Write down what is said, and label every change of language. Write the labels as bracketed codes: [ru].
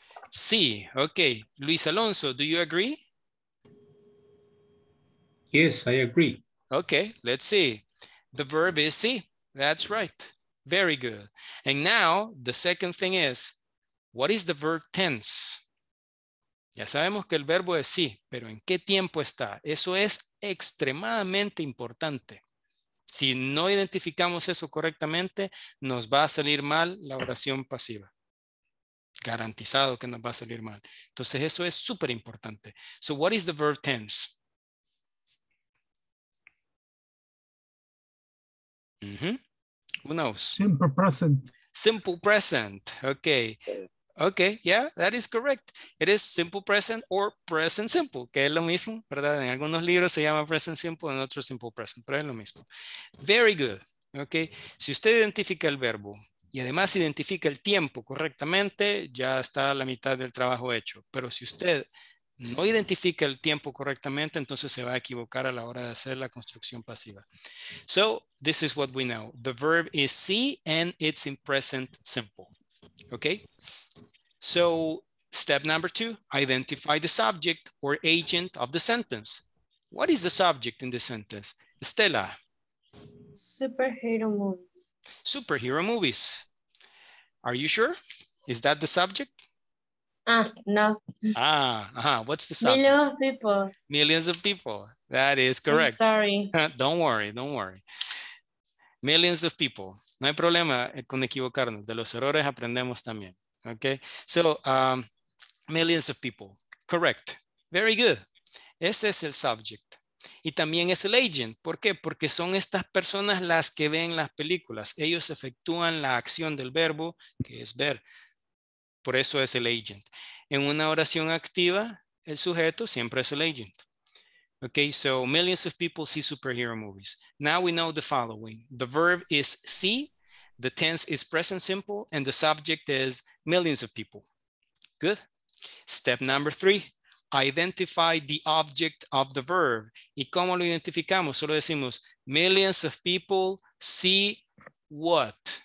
[en] See. Okay. Luis Alonso, do you agree? Yes, I agree. Okay, let's see. The verb is see. That's right. Very good. And now the second thing is, what is the verb tense? [es] Ya sabemos que el verbo es sí, pero ¿en qué tiempo está? Eso es extremadamente importante. Si no identificamos eso correctamente, nos va a salir mal la oración pasiva. Garantizado que nos va a salir mal. Entonces eso es súper importante. [en] So what is the verb tense? Mm-hmm. Who knows? Simple present. Simple present. Okay. Okay. Yeah, that is correct. It is simple present or present simple, [es] que es lo mismo, ¿verdad? En algunos libros se llama present simple, en otros simple present, pero es lo mismo. [en] Very good. Okay. [es] Si usted identifica el verbo y además identifica el tiempo correctamente, ya está la mitad del trabajo hecho. Pero si usted no identifica el tiempo correctamente, entonces se va a equivocar a la hora de hacer la construcción pasiva. [en] So, this is what we know. The verb is see and it's in present simple. Okay? So, step number two, identify the subject or agent of the sentence. What is the subject in the sentence? Stella? Superhero movies. Superhero movies. Are you sure? Is that the subject? Ah, no. Ah, what's the subject? Millions of people. Millions of people. That is correct. I'm sorry. Don't worry, don't worry. Millions of people. [es] No hay problema con equivocarnos. De los errores aprendemos también. Okay? [en] So, millions of people. Correct. Very good. [es] Ese es el subject. Y también es el agent. ¿Por qué? Porque son estas personas las que ven las películas. Ellos efectúan la acción del verbo, que es ver. Por eso es el agent. En una oración activa, el sujeto siempre es el agent. [en] Okay, so millions of people see superhero movies. Now we know the following. The verb is see, the tense is present simple, and the subject is millions of people. Good. Step number three, identify the object of the verb. [es] ¿Y cómo lo identificamos? Solo decimos, [en] millions of people see what?